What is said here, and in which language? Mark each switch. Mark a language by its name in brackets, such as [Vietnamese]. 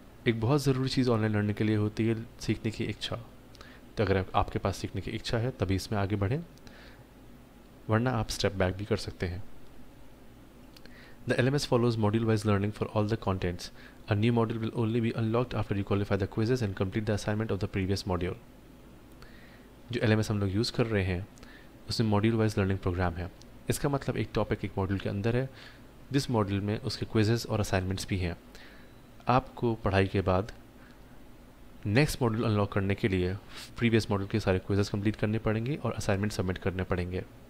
[Hindi] एक बहुत ज़रूरी चीज़ ऑनलाइन लर्निंग के लिए होती है सीखने की इच्छा. तो अगर आपके पास सीखने की इच्छा है तभी इसमें आगे बढ़ें, वरना आप स्टेप बैक भी कर सकते हैं. [English] The LMS follows module wise learning for all the contents. A new module will only be unlocked after you qualify the quizzes and complete the assignment of the previous module. [Hindi] जो LMS हम लोग use कर रहे हैं उसमें module wise learning programme है. इसका मतलब एक टॉपिक एक मॉड्यूल के अंदर है, जिस मॉड्यूल में उसके क्विजेज और असाइनमेंट्स भी हैं. आपको पढ़ाई के बाद नेक्स्ट मॉड्यूल अनलॉक करने के लिए प्रीवियस मॉड्यूल के सारे क्विजेस कंप्लीट करने पड़ेंगे और असाइनमेंट सबमिट करने पड़ेंगे.